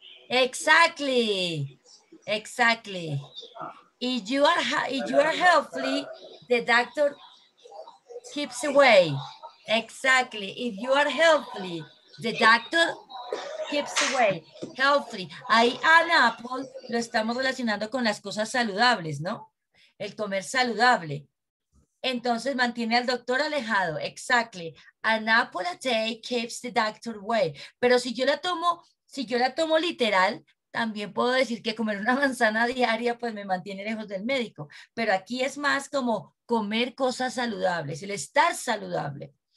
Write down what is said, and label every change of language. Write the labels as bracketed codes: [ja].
[en] Exactly. Exactly. If you are healthy, the doctor keeps away. Exactly. If you are healthy, the doctor keeps away. Healthy. [es] Ahí, an apple, lo estamos relacionando con las cosas saludables, ¿no? El comer saludable. Entonces, mantiene al doctor alejado. Exactly. [en] An apple a day keeps the doctor away. [es] Pero si yo la tomo literal, también puedo decir que comer una manzana diaria pues me mantiene lejos del médico. Pero aquí es más como comer cosas saludables, el estar saludable.